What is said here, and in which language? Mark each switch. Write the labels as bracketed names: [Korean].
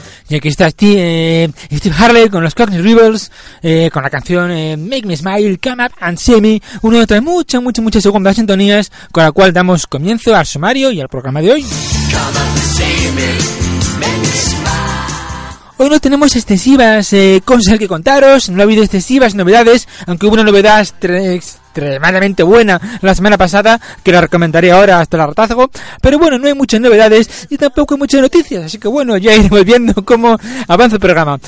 [Spanish] Y aquí está Steve Harley con los Cockney Rebels, con la canción Make Me Smile, Come Up and See Me, una de otras muchas segundas sintonías, con la cual damos comienzo al sumario y al programa de hoy. [English] Come up and see me, make me smile. [Spanish] Hoy no tenemos excesivas cosas que contaros, no ha habido excesivas novedades, aunque hubo una novedad extremadamente buena la semana pasada, que la recomendaré ahora hasta el hartazgo, pero bueno, no hay muchas novedades y tampoco hay muchas noticias, así que bueno, ya iremos viendo cómo avanza el programa.